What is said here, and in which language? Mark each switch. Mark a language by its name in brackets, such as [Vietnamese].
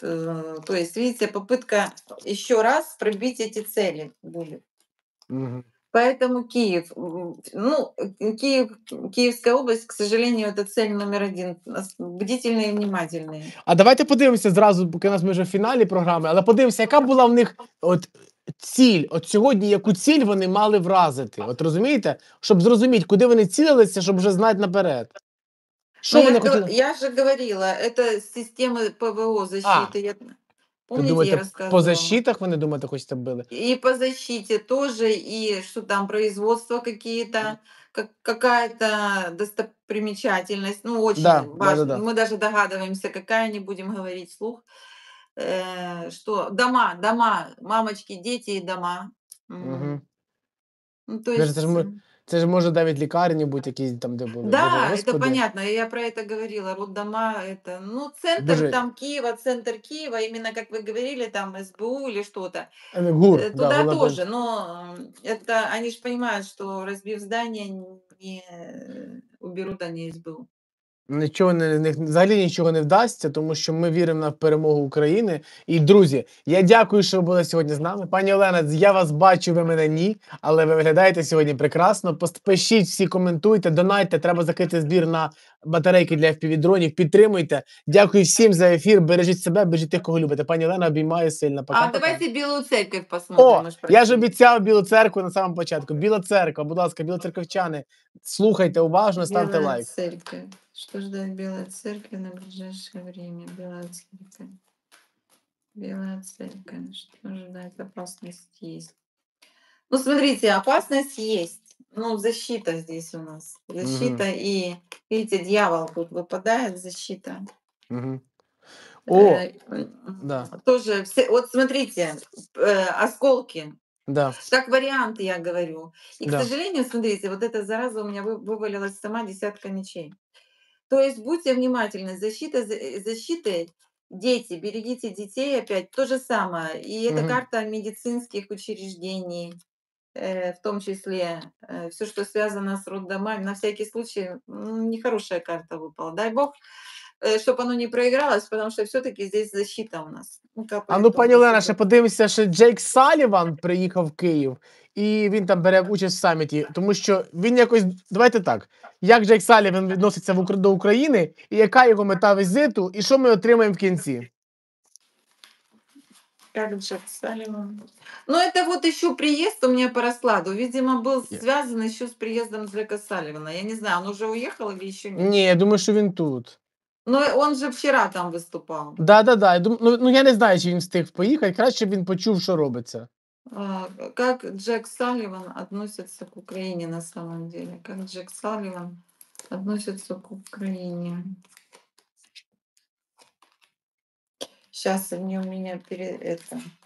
[Russian] То есть, видите, попытка еще раз пробить эти цели будет. Угу. Поэтому Киев. Ну, Киев, Киевская область, к сожалению, это цель номер один. Бдительные и внимательные. [Ukrainian] А давайте подивимся сразу, поки у нас уже в финале программы, але подивимся, яка была у них... От... ціль. От сьогодні яку ціль вони мали вразити? От розумієте? Щоб зрозуміти, куди вони цілилися, щоб вже знати наперед. Що вони хотіли? Я вже говорила, це система ПВО защити. Помните, по защитах вони, думаєте, хоч били? І по защиті теж, і що там, [Russian] производства какие-то, какая-то достопримечательность, ну, очень да, важно. Да, да, да. Мы даже догадываемся, какая, не будем говорить вслух. Что дома, дома, мамочки, дети и дома. Угу. Ну, то есть... Это же, [Ukrainian] Це ж може навіть лікарні будь-які там, де були. Да, це понятно. Я про це говорила. [Russian] Роддома, это, ну, центр Боже. [Ukrainian] Там Києва, центр Києва, іменно, як ви говорили, там СБУ [Russian] или что-то. [Ukrainian] НГУР, [Russian] туда да, тоже, там... но это они ж понимают, что разбив здание, не уберут они СБУ. [Ukrainian] Нічого не, не взагалі нічого не вдасться, тому що ми віримо на перемогу України. І друзі, я дякую, що ви були сьогодні з нами. Пані Олена, я вас бачу, ви мене ні, але ви виглядаєте сьогодні прекрасно. Пишіть всі, коментуйте, донайте. Треба закрити збір на батарейки для FPV-дронів. Підтримуйте. Дякую всім за ефір. Бережіть себе, бережіть тих, кого любите. Пані Олена, обіймаю сильно. [Russian] Пока, а пока. [Ukrainian] Давайте Білу церкву посмотримо. О, я ж обіцяв Білу церкву на самому початку. Біла церква, будь ласка, білоцерковчани, слухайте уважно, ставте лайк. Біла церква. [Russian] Что ждать Белой Церкви на ближайшее время? Белая Церковь. Белая Церковь. Что ждать? Опасность есть. Ну, смотрите, опасность есть. Ну, защита здесь у нас. Защита и, видите, дьявол тут выпадает, защита. Угу. О, да. Тоже, все, вот смотрите, осколки. Да. Как вариант, я говорю. И, к сожалению, смотрите, вот эта зараза у меня вывалилась сама десятка мечей. То есть будьте внимательны, защита, защита, дети, берегите детей опять, то же самое. И это карта медицинских учреждений, в том числе все, что связано с роддомами. На всякий случай, нехорошая карта выпала. Дай бог, чтобы оно не проигралось, потому что все-таки здесь защита у нас. [Ukrainian] А ну, пані Олена, ще подивимося, що Джейк Саліван приїхав в Київ, і він там бере участь в саміті, тому що він якось, давайте так, як Джейк Саліван відноситься до України, і яка його мета візиту, і що ми отримаємо в кінці? Як Джейк Саліван? Ну, це от ще приїзд у мене по розкладу, видимо, був зв'язаний ще з приїздом Джейка Саліана. Я не знаю, він вже уїхав або ще ні? Ні, я думаю, що він тут. [Russian] Ну, он же вчера там выступал. Да-да-да. [Ukrainian] Ну, я не знаю, чи він встиг поїхати. Краще б він почув, що робиться. [Russian] Как Джек Салливан относится к Украине на самом деле? Как Джек Салливан относится к Украине? Сейчас они у меня перед... Это...